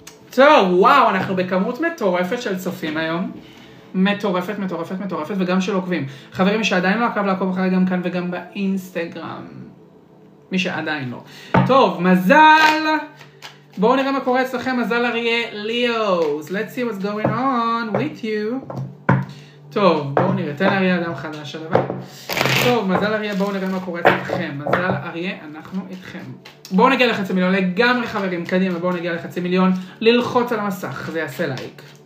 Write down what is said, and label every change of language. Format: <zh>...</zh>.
<he>טוב, וואו, אנחנו בכמות מטורפת של צופים היום, מטורפת, מטורפת, מטורפת, וגם של עוקבים. חברים, מי שעדיין לא עקב לעקוב אחרי גם כאן וגם באינסטגרם. מי שעדיין לא. טוב, מזל! בואו נראה מה קורה אצלכם, מזל אריה ליאוז.</he> <en>Let's see what's going on with you.</en> <he>טוב, בואו נראה, תן אריה אדם חדש עליו. טוב, מזל אריה, בואו נראה מה קורה אתכם. מזל אריה, אנחנו איתכם. בואו נגיע לחצי מיליון, לגמרי חברים, קדימה, בואו נגיע לחצי מיליון, ללחוץ על המסך, זה יעשה לייק.</he>